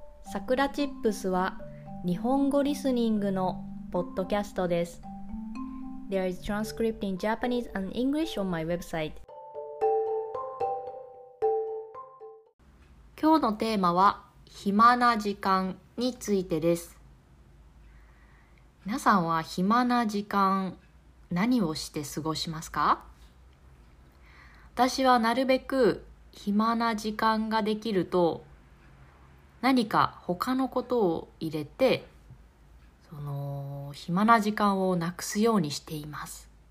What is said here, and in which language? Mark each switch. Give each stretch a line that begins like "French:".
Japanese: さくらチップスは日本語リスニングのポッドキャストです。
English: There is transcript in Japanese and English on my website。
Japanese: 今日のテーマは暇な時間についてです。皆さんは暇な時間何をして過ごしますか？私はなるべく暇な時間ができると何か他のことを入れて、その暇な時間をなくすようにしています。